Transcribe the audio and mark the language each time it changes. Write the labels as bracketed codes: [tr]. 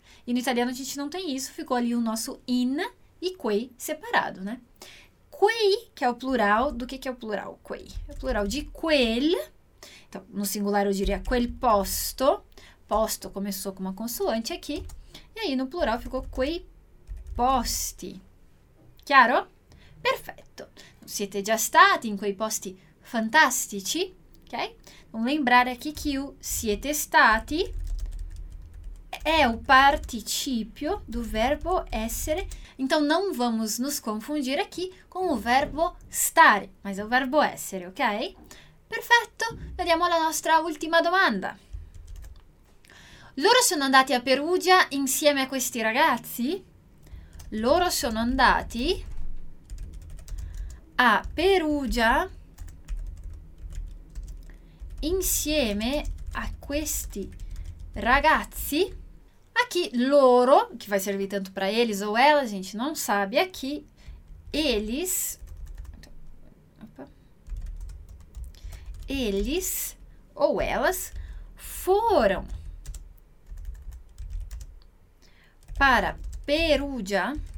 [pt] E no italiano a gente não tem isso, ficou ali o nosso in e quei separado, né? Quei, que é o plural, do que é o plural? Quei. É o plural de quel. Então, no singular eu diria quel posto. Posto começou com uma consoante aqui. E aí no plural ficou quei posti. [it] Chiaro? Perfetto. Siete già stati in quei posti fantastici, ok? [pt] Vamos lembrar aqui che o siete stati è o participio do verbo essere. Então não vamos nos confundir aqui com o verbo stare, mas é o verbo essere, ok? [it] Perfetto, vediamo la nostra ultima domanda. Loro sono andati a Perugia insieme a questi ragazzi? Loro sono andati a Perugia insieme a questi ragazzi? [pt] Aqui, loro, che vai servire tanto para eles ou ela, a gente non sabe, aqui, eles. Eles ou elas foram para Perugia.